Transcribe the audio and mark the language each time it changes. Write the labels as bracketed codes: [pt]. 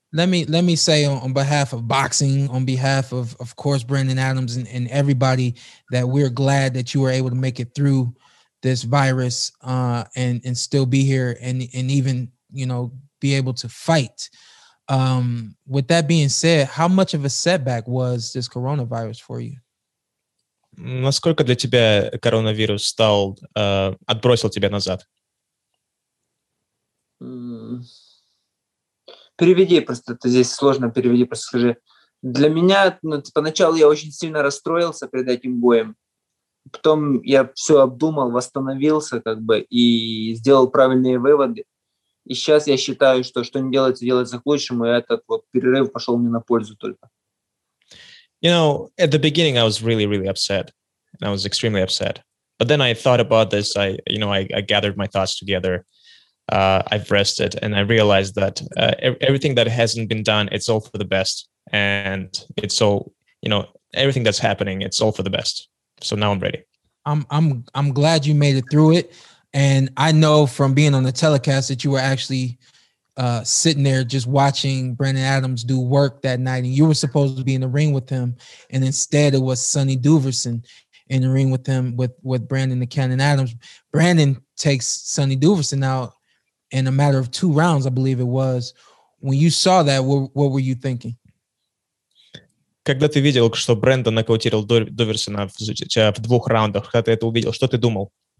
[en] Let me say on behalf of boxing, on behalf of course Brandon Adams and everybody, that we're glad that you were able to make it through this virus and still be here and even, you know, be able to fight. With that being said, how much of a setback was this coronavirus for you? [ru] Насколько для тебя коронавирус стал отбросил тебя назад? Переведи просто, это здесь сложно, переведи просто, скажи. Для меня, ну, поначалу я очень сильно расстроился перед этим боем. Потом я все обдумал, восстановился как бы и сделал правильные выводы. И сейчас я считаю, что не делается, делается к лучшему, и этот вот перерыв пошел мне на пользу только. [en] You know, at the beginning, I was really, really upset. I was extremely upset. But then I thought about this. I gathered my thoughts together. I've rested and I realized that everything that hasn't been done, it's all for the best. And it's all, you know, everything that's happening, it's all for the best. So now I'm ready. I'm glad you made it through it. And I know from being on the telecast that you were actually sitting there just watching Brandon Adams do work that night. And you were supposed to be in the ring with him. And instead it was Sonny Duverson in the ring with him, with Brandon the Cannon Adams. Brandon takes Sonny Duverson out in a matter of two rounds, I believe it was. When you saw that, what were you thinking? [ru] Когда ты видел, что Брэндон нокаутировал Дуверсона в двух раундах, когда ты это увидел, что ты думал?